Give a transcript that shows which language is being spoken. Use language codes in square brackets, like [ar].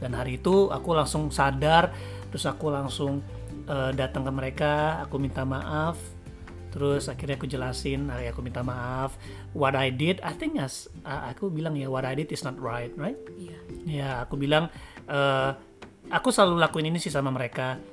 [id] Dan hari itu aku langsung sadar, terus aku langsung datang ke mereka, aku minta maaf. Terus akhirnya aku jelasin, akhirnya aku minta maaf. [en] What I did, I think as [id] aku bilang ya, [en] what I did is not right, right? [id] Iya. [en] Yeah. [id] Ya, aku bilang, aku selalu lakuin ini sih sama mereka.